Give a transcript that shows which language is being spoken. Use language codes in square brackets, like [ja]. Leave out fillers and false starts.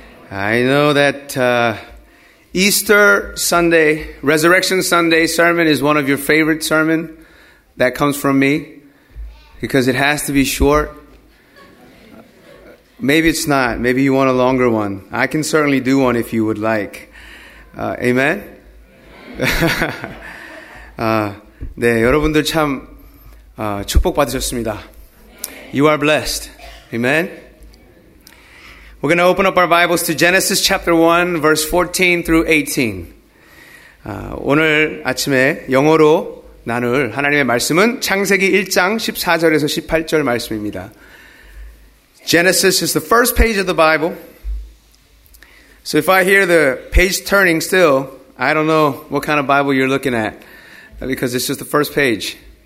[en] I know that Easter Sunday, Resurrection Sunday sermon is one of your favorite sermon that comes from me because it has to be short. Maybe it's not. Maybe you want a longer one. I can certainly do one if you would like. Amen? [ko] 네, 여러분들 참 축복받으셨습니다. [en] You are blessed. Amen. We're going to open up our Bibles to Genesis chapter 1, verse 14 through 18. [ko] 오늘 아침에 영어로 나눌 하나님의 말씀은 창세기 1장 14절에서 18절 말씀입니다. [en] Genesis is the first page of the Bible. So if I hear the page turning still, I don't know what kind of Bible you're looking at because it's just the first page.